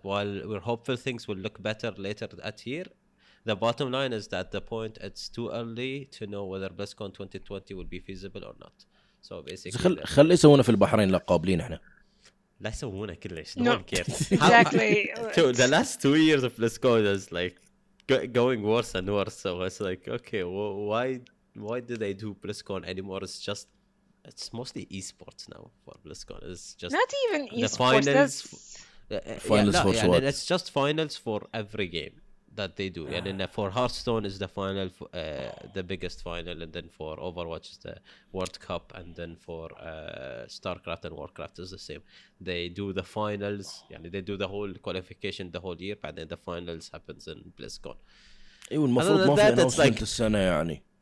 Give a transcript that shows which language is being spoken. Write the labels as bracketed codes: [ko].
[en] While we're hopeful things will look better later that year, the bottom line is that the point it's too early to know whether BlizzCon 2020 will be feasible or not. So basically, [ar] خل يسوونه في البحرين لا قابلين إحنا. لا يسوونه كلش. [en] No one cares. Exactly. The last 2 years of BlizzCon is like going worse and worse. So it's like, okay, why do they do BlizzCon anymore? It's mostly esports now for BlizzCon. It's just not even esports. It's just finals for every game that they do. And then for Hearthstone is the final, the biggest final, and then for Overwatch is the World Cup, and then for StarCraft and Warcraft is the same. They do the finals, يعني they do the whole qualification the whole year, and then the finals happens in BlizzCon. [ar] ايوه المفروض ما في announcement السنة يعني.